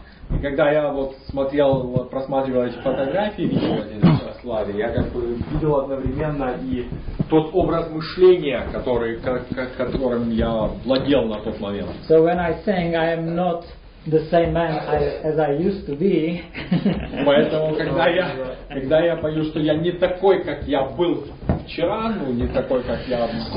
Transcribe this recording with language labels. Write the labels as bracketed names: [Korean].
[Russian] И когда я просматривал эти фотографии, видел эти слайды, я как бы видел одновременно и тот образ мышления, которым я владел на тот момент. [English] So when I sing, I am not the same man as I used to be. [Russian] Поэтому когда я пою, что я не такой, как я был вчера, не такой, как я был.